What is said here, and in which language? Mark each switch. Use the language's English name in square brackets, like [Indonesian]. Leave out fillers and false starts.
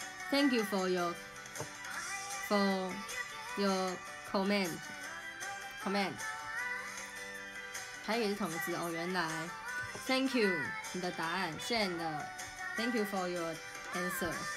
[English] Thank you for your comment. [Chinese] 台语是同字哦，原来。 [English] Thank you， [Chinese] 你的答案，谢谢你的。 [English] Thank you for your answer.